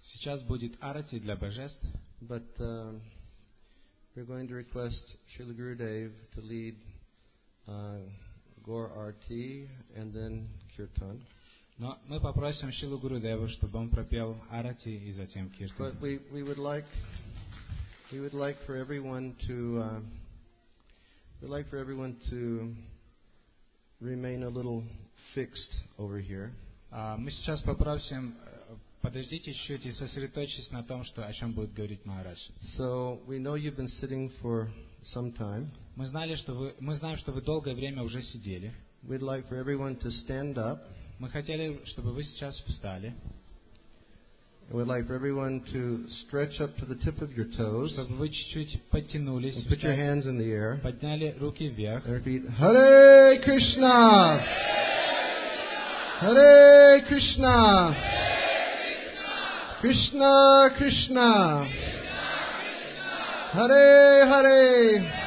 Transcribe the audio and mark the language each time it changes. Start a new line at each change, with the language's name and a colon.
Russian: Сейчас будет арати для божеств.
English: But we're going to request Srila Gurudev to lead Gaur Arti and then Kirtan.
Russian: Но мы попросим Шрилу Гурудеву, чтобы он пропел арати и затем киртан.
English: But we would like for everyone to we'd like for everyone to remain a little fixed over here.
Russian: Мы сейчас попросим подождите чуть-чуть и сосредоточьтесь на том, что о чем будет говорить Махарадж.
English: So we know you've been sitting for some time.
Russian: Мы знаем, что вы долгое время уже сидели.
English: We'd like for everyone to stand up.
Russian: Мы хотели, чтобы вы сейчас встали.
English: We'd like for everyone to stretch up to the tip of your toes.
Russian: Чтобы вы чуть-чуть подтянулись.
English: Put your hands in the air.
Russian: Подняли руки вверх.
English: And repeat, Hare Krishna! Hare Krishna! Krishna, Krishna! Hare Hare!